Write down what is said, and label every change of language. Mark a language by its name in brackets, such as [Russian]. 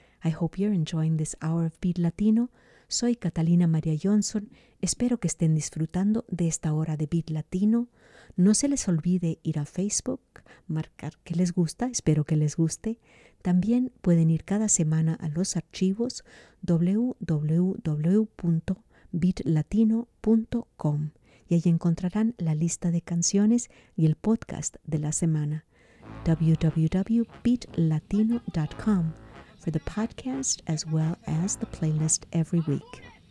[English] I hope you're enjoying this hour of Beat Latino. [Spanish] Soy Catalina María Johnson. Espero que estén disfrutando de esta hora de Beat Latino. No se les olvide ir a Facebook, marcar que les gusta, espero que les guste. También pueden ir cada semana a los archivos www.beatlatino.com. Y ahí encontrarán la lista de canciones y el podcast de la semana. [English] www.beatlatino.com for the podcast as well as the playlist every week.